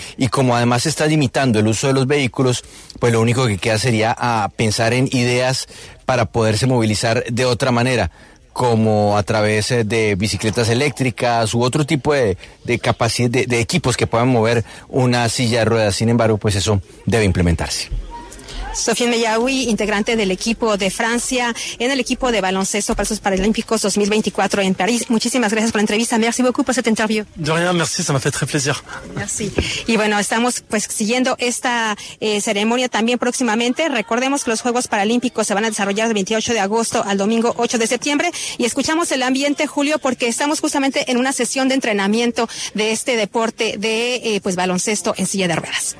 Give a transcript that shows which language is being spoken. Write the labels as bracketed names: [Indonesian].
[Spanish] Y como además se está limitando el uso de los vehículos, pues lo único que queda sería a pensar en ideas para poderse movilizar de otra manera, como a través de bicicletas eléctricas u otro tipo de capacidad de equipos que puedan mover una silla de ruedas. Sin embargo, pues eso debe implementarse. Sofía Meyawi, integrante del equipo de Francia en el equipo de baloncesto para los Paralímpicos 2024 en París. Muchísimas gracias por la entrevista. [French] Merci beaucoup pour cette interview. De rien, merci, ça m'a fait très plaisir. Merci. [Spanish] Y bueno, estamos pues siguiendo esta ceremonia también próximamente. Recordemos que los Juegos Paralímpicos se van a desarrollar del 28 de agosto al domingo 8 de septiembre y escuchamos el ambiente, Julio, porque estamos justamente en una sesión de entrenamiento de este deporte de baloncesto en silla de ruedas.